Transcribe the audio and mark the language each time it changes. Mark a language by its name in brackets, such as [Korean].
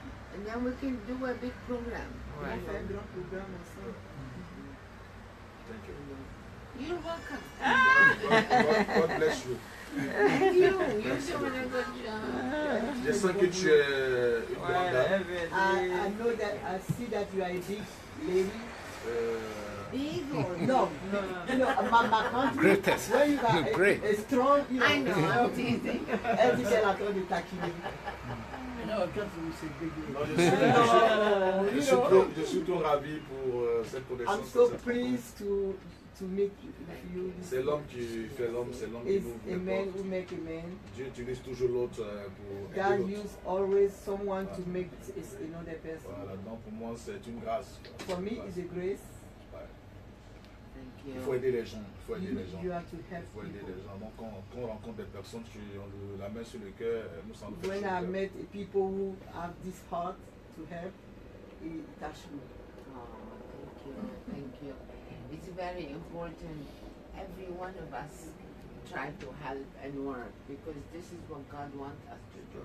[English] And then we can do a big program. [French] On fait un grand programme ensemble. [English] You're welcome. God bless you. Thank you. You're doing a good job. [French] Je sens que tu es une grande dame. [English] I know that I see that you are a big lady. Big No, my greatest. Where you are? Great. A strong. You know, I know. I'm teasing. [French] Elle dit qu'elle est en train de taquiner. Je suis trop ravi pour cette connaissance. [English] I'm so pleased to meet you. [French] C'est l'homme qui fait l'homme, c'est l'homme qui nous fait. [English] A man who make a man. [French] Dieu utilise toujours l'autre pour. [English] God use always someone to make another person. [French] Voilà, donc pour moi c'est une grâce. [English] For me it's a grace. [French] Il faut aider les gens. Il faut aider les gens. [English] You have to help [French] il faut aider [English] people. [French] Les gens. Donc, quand on rencontre des personnes qui ont la main sur le cœur, nous sommes. [English] When I met people who have this heart to help, it touched me. Oh, thank you. It's very important. Every one of us try to help and work because this is what God wants us to do.